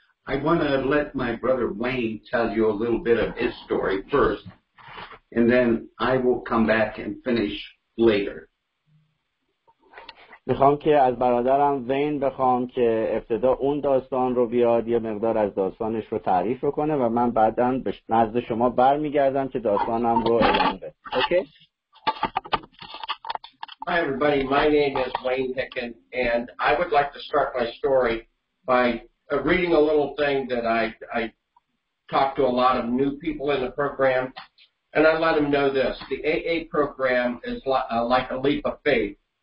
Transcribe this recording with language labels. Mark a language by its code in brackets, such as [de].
[en] I want to let my brother Wayne tell you a little bit of his story first, and then I will come back and finish later. [fa] میخوام که از برادرم وین بخوام که ابتدا اون داستان رو بیاد یه مقدار از داستانش رو تعریف کنه و من بعداً نزد شما برمیگردم که داستانم رو اعلام بده. [en] Okay? Hi everybody, my name is Wayne Hicken and I would like to start my story by reading a little thing that I talk to a lot of new people in the program, and I let them know this. The AA program is like a leap of faith.